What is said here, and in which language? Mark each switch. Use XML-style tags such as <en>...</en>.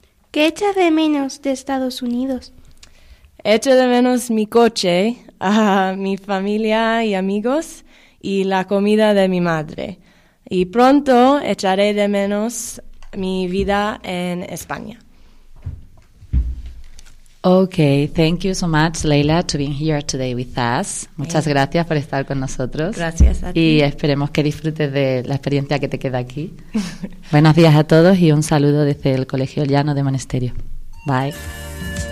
<es>¿Qué echa de menos de Estados Unidos? Echo de menos mi coche, mi familia y amigos, y la comida de mi madre. Y pronto echaré de menos mi vida en España.</es> <en>Okay, thank you so much, Leila, to being here today with us.</en> <es>Muchas gracias por estar con nosotros. Gracias a ti. Y esperemos que disfrutes de la experiencia que te queda aquí. Buenos días a todos y un saludo desde el Colegio Llano de Monasterio. Bye.</es>